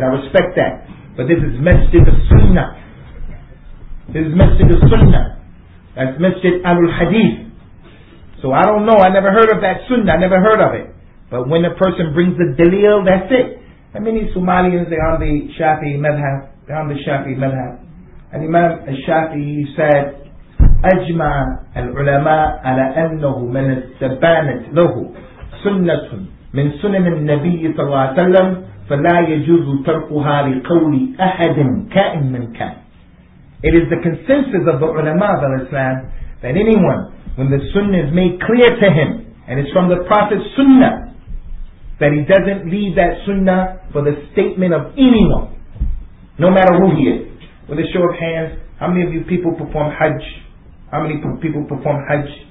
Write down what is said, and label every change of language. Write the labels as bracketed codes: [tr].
[en] I respect that. But this is masjid al-sunnah. This is masjid al-sunnah. That's masjid al-hadith. So I don't know. I never heard of that sunnah. I never heard of it. But when a person brings the dalil, that's it. And many Somalians, they're on the Shafi'i madhab. They're on the Shafi'i madhab. And Imam al-Shafi'i said, [ar] أجمع العلماء على أنه من استبانت له سنة من سنن النبي صلى الله عليه وسلم فلا يجوز تركها لقول أحد كائن من كان. [en] It is the consensus of the ulama of Islam that anyone, when the sunnah is made clear to him and it's from the Prophet's sunnah, that he doesn't leave that sunnah for the statement of anyone, no matter who he is. With a show of hands, how many of you people perform hajj? How many people perform hajj?